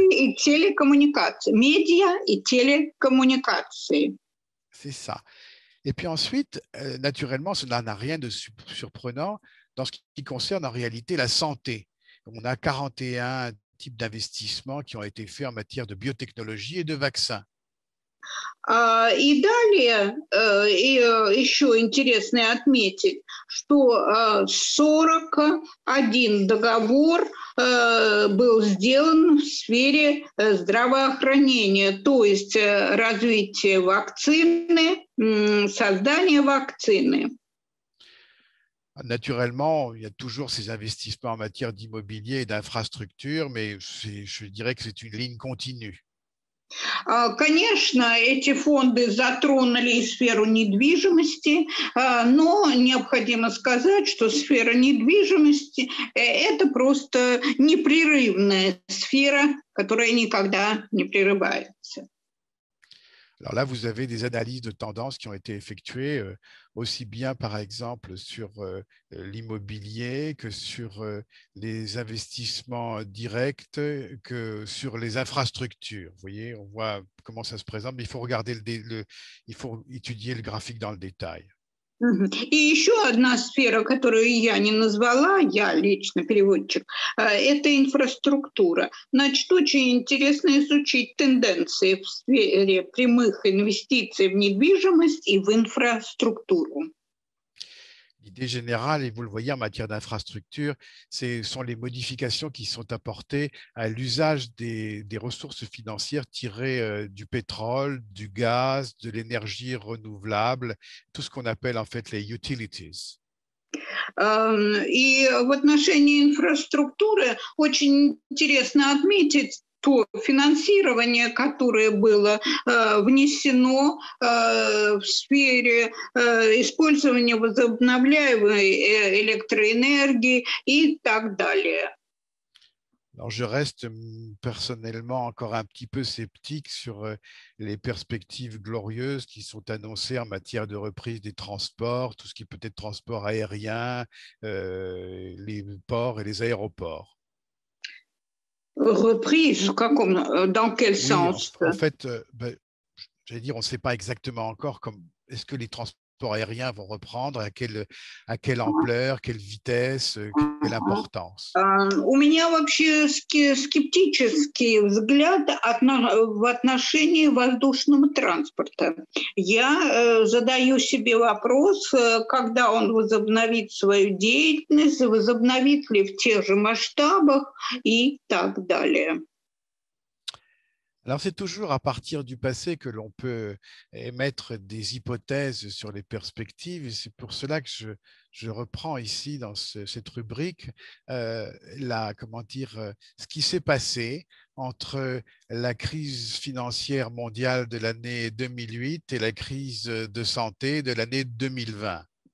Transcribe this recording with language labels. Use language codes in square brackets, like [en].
[fr] télécommunications. [ru] и телекоммуникации, медиа и телекоммуникации. [fr] C'est ça. Et puis ensuite, naturellement, cela n'a rien de surprenant dans ce qui concerne en réalité la santé. On a 41 types d'investissements qui ont été faits en matière de biotechnologie et de vaccins. [ru] И далее, еще интересно отметить, что 41 договор был сделан в сфере здравоохранения, то есть развитие вакцины, создание вакцины. [fr] Naturellement, il y a toujours ces investissements en matière d'immobilier et d'infrastructures, mais je dirais que c'est une ligne continue. [ru] Конечно, эти фонды затронули и сферу недвижимости, но необходимо сказать, что сфера недвижимости – это просто непрерывная сфера, которая никогда не прерывается. [fr] Alors là, vous avez des analyses de tendances qui ont été effectuées, aussi bien par exemple sur l'immobilier que sur les investissements directs que sur les infrastructures. Vous voyez, on voit comment ça se présente, mais il faut regarder il faut étudier le graphique dans le détail. [ru] И еще одна сфера, которую я не назвала, я лично переводчик, это инфраструктура. Значит, очень интересно изучить тенденции в сфере прямых инвестиций в недвижимость и в инфраструктуру. [fr] L'idée générale, et vous le voyez en матière d'infrastructure, ce sont les modifications qui sont apportées à l'usage des ressources financières tirées du pétrole, du gaz, de l'énergie renouvelable, tout ce qu'on appelle en fait les utilities. [ru] И в отношении инфраструктуры очень интересно отметить то финансирование, которое было внесено в сфере использования возобновляемой электроэнергии и так далее. [fr] Alors je reste personnellement encore un petit peu sceptique sur les perspectives glorieuses qui sont annoncées en matière de reprise des transports, tout ce qui peut être transport aérien, les ports et les aéroports. Reprise, dans quel Oui, sens? en fait, j'allais dire, on ne sait pas exactement encore comme est-ce que les transports aériens vont reprendre, à quelle ampleur, quelle vitesse, quelle importance. [ru] У меня вообще скептический взгляд в отношении воздушного транспорта. Я задаю себе вопрос, когда он возобновит свою деятельность, возобновит ли в тех же масштабах и так далее. [fr] Alors c'est toujours à partir du passé que l'on peut émettre des hypothèses sur les perspectives. Et c'est pour cela que je reprends ici dans cette rubrique comment dire, ce qui s'est passé entre la crise financière mondiale de l'année 2008 et la crise de santé de l'année 2020.